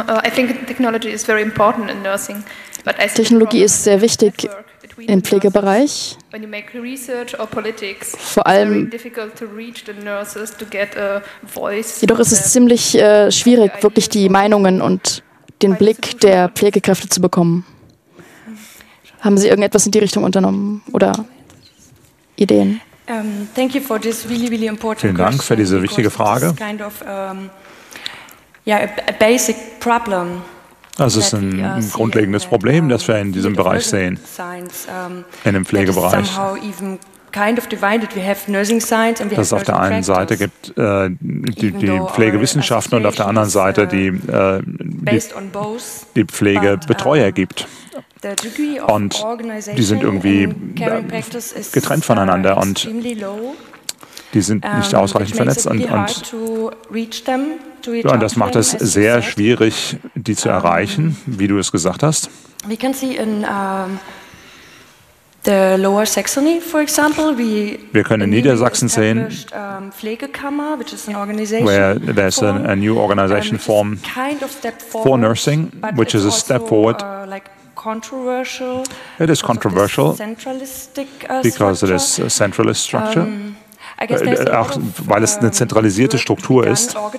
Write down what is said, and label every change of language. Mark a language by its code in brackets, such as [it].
[en] I think technology is very important in nursing, but I see [de] Technologie ist sehr wichtig im Pflegebereich. [en] When you make research or politics, [de] vor allem [en] difficult to reach the nurses to get a voice. [de] Jedoch ist es ziemlich schwierig, wirklich die Meinungen und den Blick der Pflegekräfte zu bekommen. Haben Sie irgendetwas in die Richtung unternommen oder Ideen? [en] Thank you for this really, really important [de] Vielen Dank für diese wichtige Frage. [en] A basic problem. [de] Das ist ein grundlegendes Problem, das wir in diesem Bereich sehen, in dem Pflegebereich. Dass es auf der einen Seite gibt die Pflegewissenschaften und auf der anderen Seite die Pflegebetreuer gibt. Und die sind irgendwie getrennt voneinander und die sind nicht ausreichend vernetzt. Und das macht es sehr schwierig, die zu erreichen, wie du es gesagt hast. [en] We can see in the Lower Saxony, for example, [de] wir können in Niedersachsen sehen, [en] Pflegekammer, which is an organization where there's a new organization form kind of step forward, for nursing, which is a step forward. Controversial, it is controversial centralistic, because it is a centralist structure. [de] Auch weil es eine zentralisierte Struktur ist.